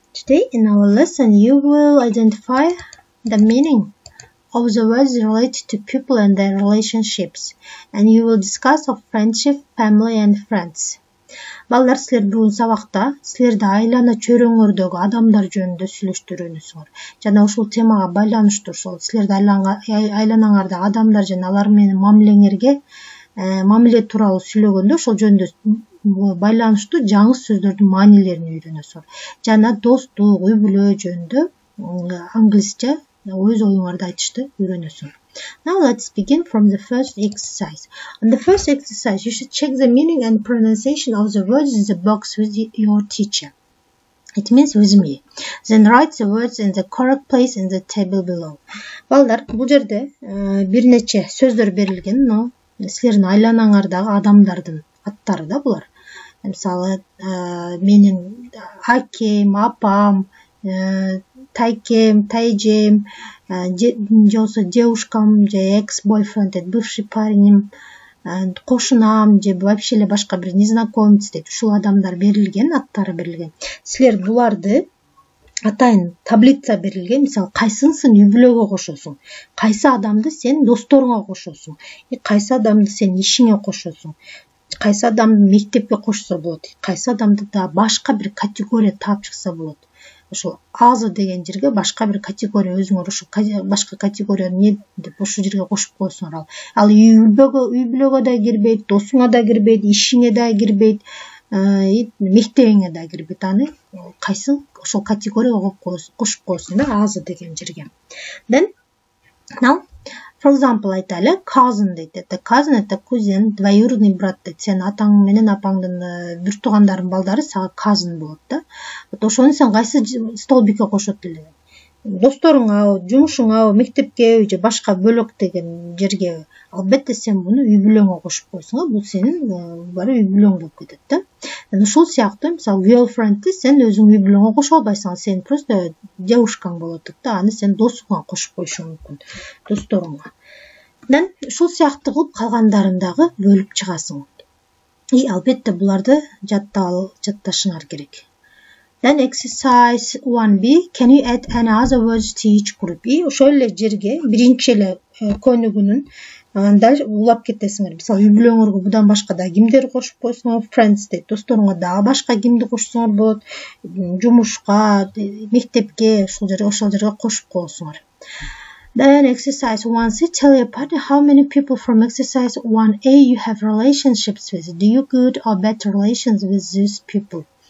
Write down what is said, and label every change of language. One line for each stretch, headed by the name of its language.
English: Today in our lesson, you will identify the meaning of the words related to people and their relationships. And you will discuss of friendship, family, and friends.
Kyrgyz: Балдар, силер бүгүн сабакта силерди айлана чөйрөңөрдөгү адамдар жөнүндө сүйлөштүрөңүздөр. Жана ушул темага байланыштуу сол силерди айланаңарда адамдар жана алар менен мамилеңерге мамиле тууралуу сүйлөгөндө ошол жөнүндө байланыштуу жаңы сөздөрдүн маанилерин үйрөнөсүңөр. Жана достук, үй бүлө жөнүндө англисче өз оюңарды айтышты үйрөнөсүңөр.
English: Now let's begin from the first exercise. On the first exercise, you should check the meaning and pronunciation of the words in the box with your teacher. It means with me. Then write the words in the correct place in the table below.
Kyrgyz: Балдар, бул жерде бир нече сөздөр берилген, но силердин айланаңардагы адамдардын аттары да булар. Мисалы, менин акем, апам, тайкем, тайжем, жолсо девушкам, же экс-бойфренд,
Russian: бывший парнем,
Kyrgyz: кошунам, же вообще эле башка бир незнакомец деп ушул адамдар берилген, аттары берилген. Силер буларды атайын таблица берилген, мисалы кайсынсың үй бүлөгө кошосуң, кайсы адамды сен досторуңа кошосуң, кайсы адамды сен ишиңе кошосуң, кайсы адамды мектепке кошсо болот, кайсы адамды да башка бир категория таап чыкса болот. Ошол азы деген жерге башка бир категория өзүңөр ушул башка категория эмне деп ушул жерге кошуп койсоңор ал үй бүлөгө да кирбейт, досуңа да кирбейт, ишиңе да кирбейт, мектебиңе да кирбейт. Аны кайсын ошол категорияга кошуп койсоң да азы деген жерге.
English: Then now for example
Kyrgyz: айтайлы, cousin дейт.
Russian: Это cousin, это кузен, двоюродный брат дейт.
Kyrgyz: Сен атаң менен апаңдын бир туугандарынын балдары сага cousin болот да. Вот ошону сен кайсы столбикке кошот эле? Досторуңабы, жумушуңабы, мектепкеби же башка бөлөк деген жергеби? Албетте сен муну үй бүлөңө кошуп койсоң, бул сенин баары үй бүлөң болуп кетет да. Ушул сыяктуу мисалы girlfriendди сен өзүң үй бүлөңө кошо албайсың, сен
Russian: просто девушкаң
Kyrgyz: болуп атат да, аны сен досуңа кошуп койшуң мүмкүн, досторуңа. Анан ушул сыяктуу кылып калгандарын дагы бөлүп чыгасың. И албетте буларды жатташыңар керек.
English: Then exercise 1B, can you add any other words to each group?
Kyrgyz: И ошол эле жерге биринчи эле көнүгүүнүн анда улап кетесиңер. Мисалы үй бүлөңөргө бундан башка да кимдер кошуп койсоңор, friends дейт, досторуңа дагы башка кимди кошсоңор болот, жумушка, мектепке, ушул жерге, ошол жерге кошуп койсоңор.
English: Then exercise 1C, tell your partner how many people from exercise 1A you have relationships with. Do you good or bad relations with these people?